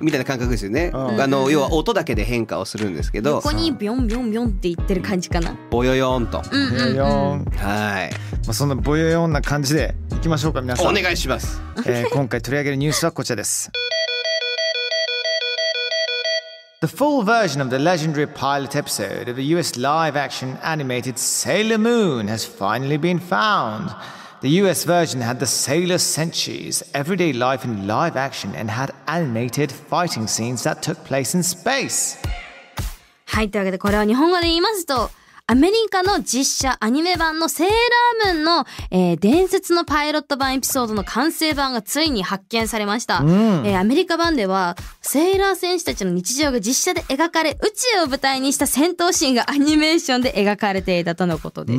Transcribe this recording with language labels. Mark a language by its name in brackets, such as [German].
[Japanese] みたいな感覚ですよね。あの要は音だけで変化をするんですけど、横にビョンビョンビョンって言ってる感じかな。ボヨヨンと、ボヨヨン、はい、まあ、そんなボヨヨンな感じでいきましょうか。皆さんお願いします。今回取り上げるニュースはこちらです。 [English] The full version of the legendary pilot episode of the US live action animated Sailor Moon has finally been foundThe US version had the Sailor Senshi's everyday life in live action and had animated fighting scenes that took place in space. [Japanese] はい、というわけでこれは日本語で言いますと、アメリカの実写アニメ版のセーラームーンの、伝説のパイロット版エピソードの完成版がついに発見されました。うん、アメリカ版ではセーラー戦士たちの日常が実写で描かれ、宇宙を舞台にした戦闘シーンがアニメーションで描かれていたとのことです。